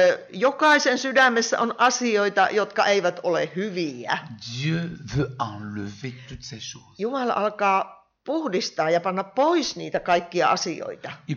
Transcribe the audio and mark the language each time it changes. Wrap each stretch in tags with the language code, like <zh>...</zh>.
<fi>jokaisen sydämessä on asioita, jotka eivät ole hyviä.</fi> <fr>Dieu veut enlever toutes ces choses.</fr> <fi>Jumala alkaa puhdistaa ja panna pois niitä kaikkia asioita.</fi>